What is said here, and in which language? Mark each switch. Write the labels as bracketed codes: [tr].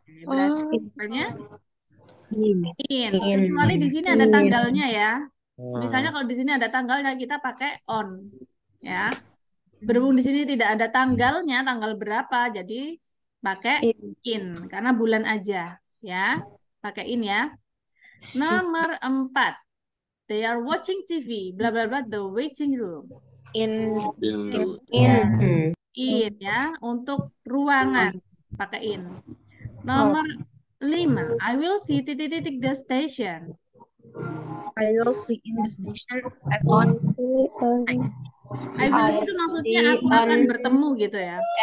[id] Berarti in. Kecuali di sini ada tanggalnya ya. Misalnya kalau di sini ada tanggalnya kita pakai on, ya. Berhubung di sini tidak ada tanggalnya, tanggal berapa, jadi pakai in. Karena bulan aja, ya. Pakai in ya. Nomor empat, [en] they are watching TV, blah blah blah, the waiting room. In [id] ya, untuk ruangan, pakai in. Nomor lima, [en] I will see [id] titik-titik [en] the station. I will see in the station at 1:30. I will see [id] itu maksudnya aku akan bertemu gitu ya.